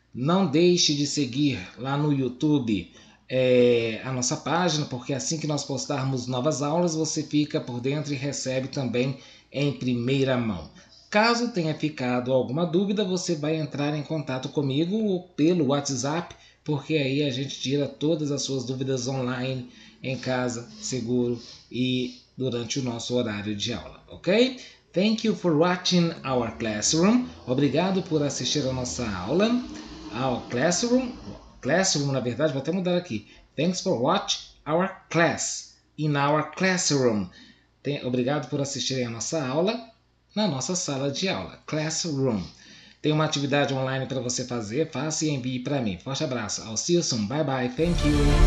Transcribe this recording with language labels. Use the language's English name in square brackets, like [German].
[Portuguese] Não deixe de seguir lá no YouTube. A nossa página, porque assim que nós postarmos novas aulas, você fica por dentro e recebe também em primeira mão. Caso tenha ficado alguma dúvida, você vai entrar em contato comigo pelo WhatsApp, porque aí a gente tira todas as suas dúvidas online, em casa, seguro e durante o nosso horário de aula, ok? [English] Thank you for watching our classroom. [Portuguese] Obrigado por assistir a nossa aula, ao classroom. Classroom, na verdade, vou até mudar aqui. [English] Thanks for watch our class in our classroom. [Portuguese] Obrigado por assistirem a nossa aula na nossa sala de aula, classroom. Tem uma atividade online para você fazer, faça e envie para mim. Forte abraço. [English] I'll see you soon. Bye bye. Thank you.